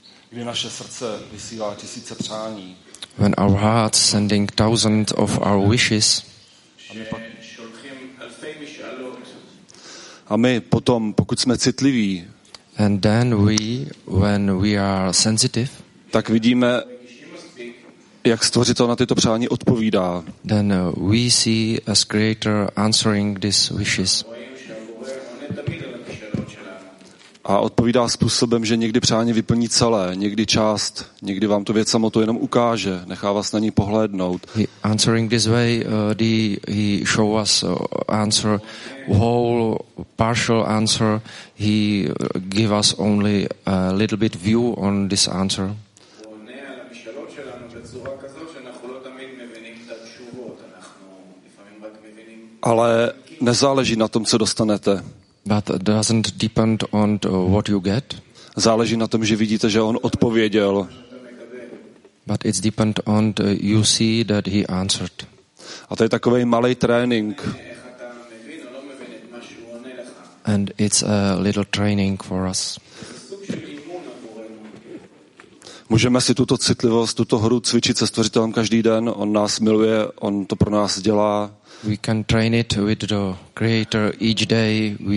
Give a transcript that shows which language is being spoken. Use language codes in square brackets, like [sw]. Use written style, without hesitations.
[cs] Kdy naše srdce vysílá tisíce přání. [en] When our hearts sending thousands of our wishes. [cs] A my potom, pokud jsme citliví, [en] and then we, when we are sensitive, [cs] tak vidíme, jak Stvořitel na tyto přání odpovídá. [en] Then we see as Creator answering these wishes. [cs] A odpovídá způsobem, že někdy přání vyplní celé, někdy část, někdy vám to věc samotu jenom ukáže, nechá vás na ní pohlédnout. [en] He answering this way, he show us answer, whole partial answer, he give us only a little bit view on this answer. [cs] Ale nezáleží na tom, co dostanete. [en] But doesn't depend on what you get. [cs] Záleží na tom, že vidíte, že on odpověděl. [en] But it's depend on you see that he answered. [cs] A to je takovej malý trénink. [en] And it's a little training for us. [cs] Můžeme si tuto citlivost, tuto hru cvičit se Stvořitelem každý den. On nás miluje, on to pro nás dělá. [en] We can train it with the Creator each day.